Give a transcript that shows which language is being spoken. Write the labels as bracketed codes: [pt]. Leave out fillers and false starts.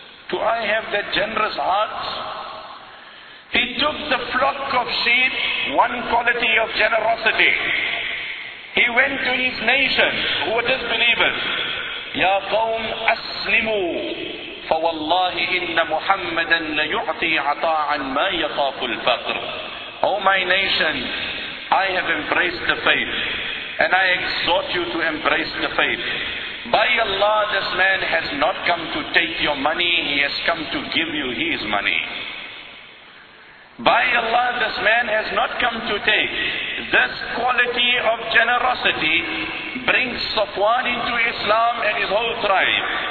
[en] Do I have that generous heart? He took the flock of sheep, one quality of generosity. He went to his nation, who were disbelievers. [ar] يَا قَوْمْ أَسْلِمُوا فوالله إن محمدا ليعطي عطاء ما يخاف الفقر. [en] Oh my nation, I have embraced the faith and I exhort you to embrace the faith. By Allah, this man has not come to take your money, he has come to give you his money. By Allah, this man has not come to take. This quality of generosity brings Safwan into Islam and his whole tribe.